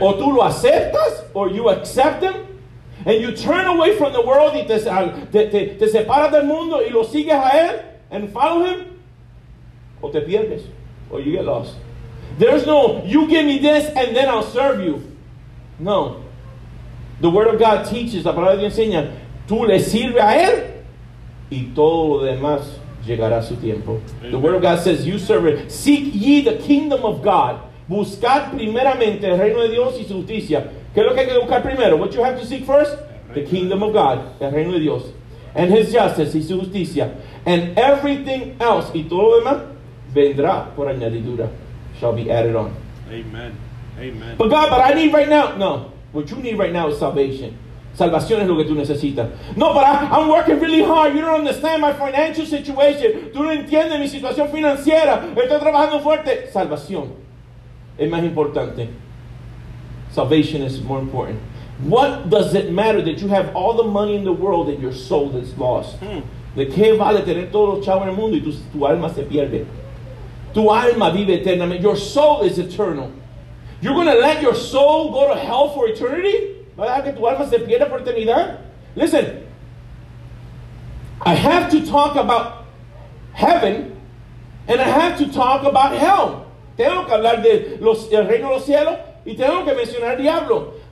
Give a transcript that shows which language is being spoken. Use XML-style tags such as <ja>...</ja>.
<es>O tú lo aceptas,</es> <en>or you accept him, and you turn away from the world</en> <es>y te separas del mundo y lo sigues a él,</es> <en>and follow him,</en> <es>o te pierdes,</es> <en>or you get lost. There's no, you give me this, and then I'll serve you.</en> <es>No.</es> <en>The word of God teaches,</en> <es>la palabra de Dios enseña, tú le sirves a él, y todo lo demás llegará su tiempo.</es> <en>Amen. The word of God says, you serve it. Seek ye the kingdom of God.</en> <es>Buscad primeramente el reino de Dios y su justicia. ¿Qué es lo que hay que buscar primero?</es> <en>What you have to seek first? The kingdom of God.</en> <es>El reino de Dios.</es> <en>And his justice</en> <es>y su justicia.</es> <en>And everything else,</en> <es>y todo lo demás, vendrá por añadidura.</es> <en>Shall be added on. Amen. Amen. But God, but I need right now. No. What you need right now is salvation.</en> <es>Salvación es lo que tú necesitas.</es> <en>No, but I'm working really hard. You don't understand my financial situation.</en> <es>Tú no entiendes mi situación financiera. Estoy trabajando fuerte. Salvación es más importante.</es> <en>Salvation is more important. What does it matter that you have all the money in the world and your soul is lost?</en> <es>¿De qué vale tener todos los chavos en el mundo y tu alma se pierde? Tu alma vive eternamente.</es> <en>Your soul is eternal. You're going to let your soul go to hell for eternity?</en> <es>¿Vas a dejar que tu alma se pierda por eternidad?</es> <en>Listen. I have to talk about heaven and I have to talk about hell.</en> <es>Tengo que hablar de los, el reino de los cielos y tengo que mencionar el diablo.</es>